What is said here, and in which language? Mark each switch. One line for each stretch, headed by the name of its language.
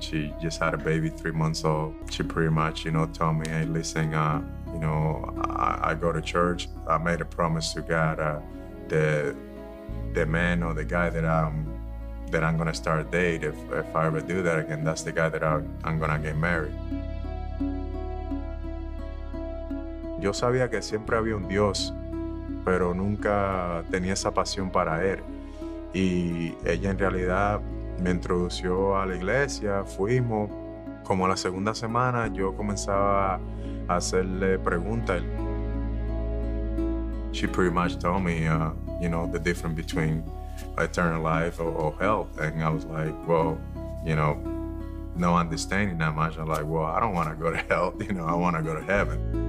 English: She just had a baby 3 months old. She pretty much, you know, told me, hey, listen, you know, I go to church. I made a promise to God the man or the guy that I'm going to start dating, if I ever do that again, that's the guy that I'm going to get married.
Spanish: Yo sabía que siempre había un Dios, pero nunca tenía esa pasión para él. Y ella en realidad me introdució a la iglesia, fuimos. Como la segunda semana, yo comenzaba a hacerle preguntas.
English: She pretty much told me, you know, the difference between eternal life or hell. And I was like, well, you know, no understanding that much. I'm like, well, I don't want to go to hell. You know, I want to go to heaven.